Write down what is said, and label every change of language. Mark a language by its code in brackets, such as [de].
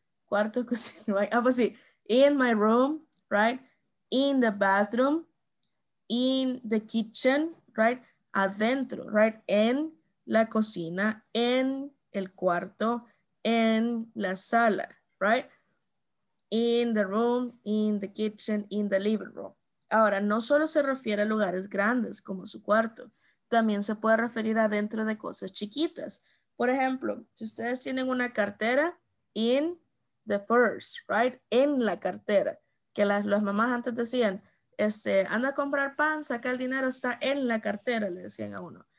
[es] Cuarto, cocina, right? Ah, pues sí, [en] in my room, [es] right? [en] In the bathroom, in the kitchen, right? [es] Adentro, right? En la cocina, en el cuarto, en la sala, right? [en] In the room, in the kitchen, in the living room. [es] Ahora, no solo se refiere a lugares grandes como su cuarto, también se puede referir adentro de cosas chiquitas. Por ejemplo, si ustedes tienen una cartera, [en] in the purse, [es] right? En la cartera, que las mamás antes decían, anda a comprar pan, saca el dinero, está en la cartera, le decían a uno.